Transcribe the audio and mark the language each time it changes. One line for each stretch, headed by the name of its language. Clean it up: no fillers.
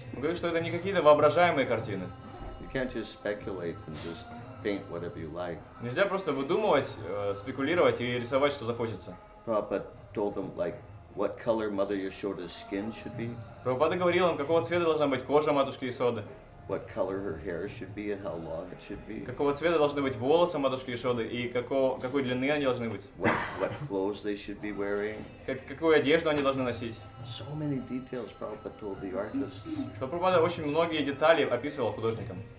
Russian: Он говорит, что это не какие-то воображаемые картины.
English: You can't just speculate and just paint whatever you like.
Russian: Нельзя просто выдумывать, спекулировать и рисовать, что захочется.
English: Prabhupada told them, like, what color Mother Yashoda's skin should be.
Russian: Прабхупада говорил им, какого цвета должна быть кожа матушки Ясоды.
English: What color her hair should be and how long it should be.
Russian: Какого цвета должны быть волосы матушки Ясоды и какой длины они должны быть.
English: What clothes they should be wearing.
Russian: Какую одежду они должны носить.
English: So many details Prabhupada told the artists.
Russian: Что Прабхупада очень многие детали описывал художникам.